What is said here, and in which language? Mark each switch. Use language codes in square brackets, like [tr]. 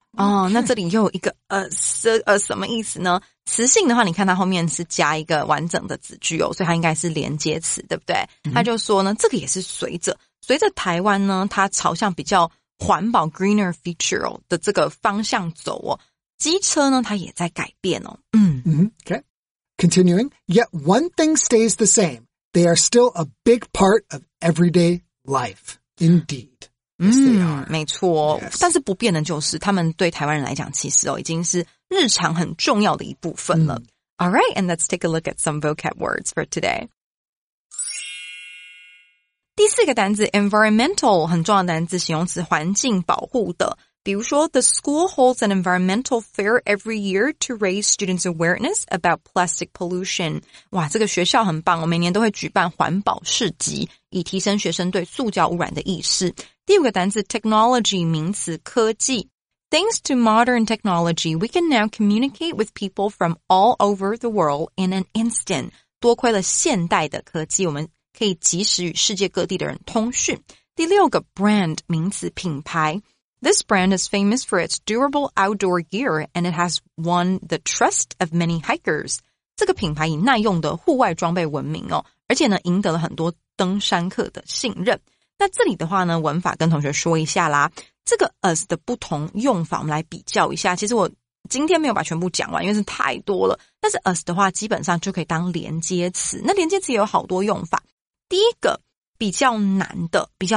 [zh] 哦、 [en] oh, okay. [zh] 那这里又一个什么意思呢词性的话你看它后面是加一个完整的子句哦所以它应该是连接词对不对、mm-hmm. 它就说呢这个也是随着台湾呢它朝向比较环保 [en] greener future [zh] 哦的这个方向走哦机车呢它也在改变哦嗯、 [en] mm-hmm. Okay. Continuing, yet one thing stays the same. They are still a big part of everyday life. Indeed. Yes, they are. [zh] 没错、 [en] yes. [zh] 但是不变的就是他们对台湾人来讲其实、哦、已经是日常很重要的一部分了、mm. [en] Alright, and let's take a look at some vocab words for today [zh] 第四个单字 environmental 很重要的单字形容词环境保护的比如说 [en] The school holds an environmental fair every year to raise students' awareness about plastic pollution [zh] 哇这个学校很棒我每年都会举办环保市集以提升学生对塑胶污染的意识第五个单词 [en] technology [zh] 名词科技 [en] Thanks to modern technology, we can now communicate with people from all over the world in an instant. [zh] 多亏了现代的科技我们可以及时与世界各地的人通讯。第六个 [en] brand [zh] 名词品牌 [en] This brand is famous for its durable outdoor gear and it has won the trust of many hikers. [zh] 这个品牌以耐用的户外装备闻名哦而且呢赢得了很多登山客的信任。那这里的话呢文法跟同学说一下啦这个 as 的不同用法我们来比较一下其实我今天没有把全部讲完因为是太多了但是 as 的话基本上就可以当连接词那连接词也有好多用法第一个比较难的